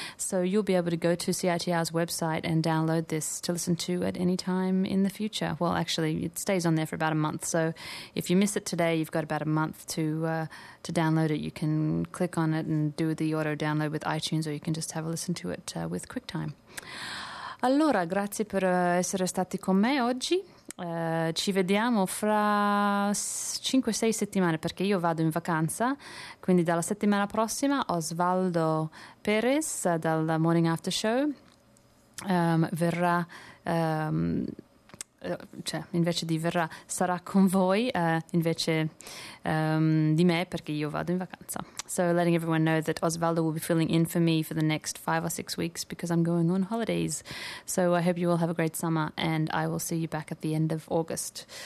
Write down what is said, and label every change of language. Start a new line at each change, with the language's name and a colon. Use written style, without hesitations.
English: So you'll be able to go to CITR's website and download this to listen to at any time in the future. Well, actually, it stays on there for about a month. So if you miss it today, you've got about a month to download it. You can click on it and do the auto download with iTunes, or you can just have a listen to it with QuickTime.
Italian: Allora, grazie per essere stati con me oggi. Ci vediamo fra 5-6 settimane, perché io vado in vacanza, quindi dalla settimana prossima Osvaldo Perez dal Morning After Show verrà, cioè invece di verrà sarà con voi invece di me, perché io vado in vacanza.
English: So letting everyone know that Osvaldo will be filling in for me for the next 5 or 6 weeks because I'm going on holidays. So I hope you all have a great summer, and I will see you back at the end of August.